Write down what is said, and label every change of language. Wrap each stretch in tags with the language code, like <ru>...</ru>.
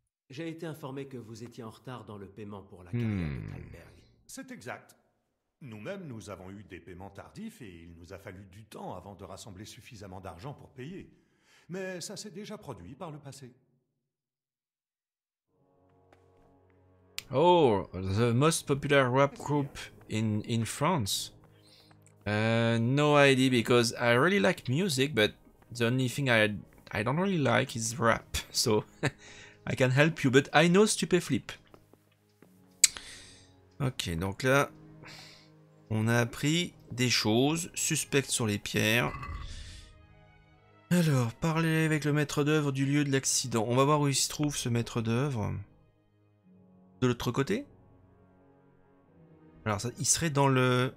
<fr>J'ai été informé que vous étiez en retard dans le paiement pour la carrière de Thalberg. C'est exact. Nous-mêmes, nous avons eu des paiements tardifs et il nous a fallu du temps avant de rassembler suffisamment d'argent pour payer. Mais ça s'est déjà produit par le passé.</fr> <en>Oh, the most popular rap group in France. No idea, because I really like music, but the only thing I don't really like is rap, so... I can help you, but I know Stupeflip.</en> <fr>Ok, donc là, on a appris des choses suspectes sur les pierres. Alors, parler avec le maître d'œuvre du lieu de l'accident. On va voir où il se trouve ce maître d'œuvre. De l'autre côté? Alors, ça, il serait dans le...</fr>